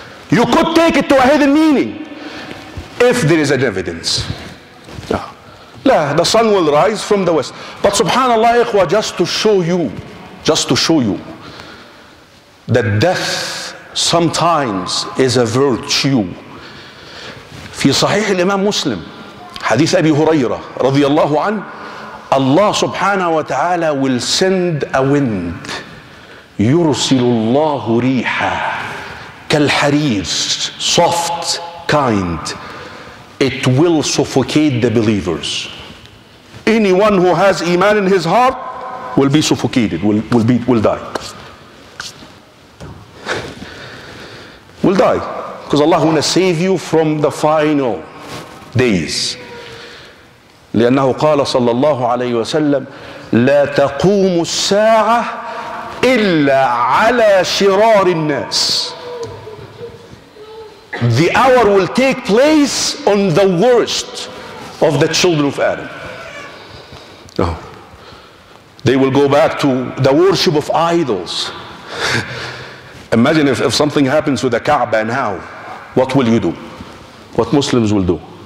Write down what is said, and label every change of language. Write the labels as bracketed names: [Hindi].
[English] You could take it to a hidden meaning if there is an evidence. La, the sun will rise from the west. But subhanAllah, ikhwa, just to show you that death sometimes is a virtue. [Arabic] في صحيح الإمام مسلم حديث أبي هريرة رضي الله عنه الله سبحانه وتعالى [English] will send a wind [Arabic] يرسل الله ريحا كالحرير [English] soft kind it will suffocate the believers. Anyone who has iman in his heart will be suffocated, will die because Allah is going to save you from the final days. [Arabic] لأنه قال صلى الله عليه وسلم لا تقوم الساعة إلا على شرار الناس. [English] The hour will take place on the worst of the children of Adam. No. They will go back to the worship of idols. Imagine if something happens with the Kaaba now, what will you do? What Muslims will do?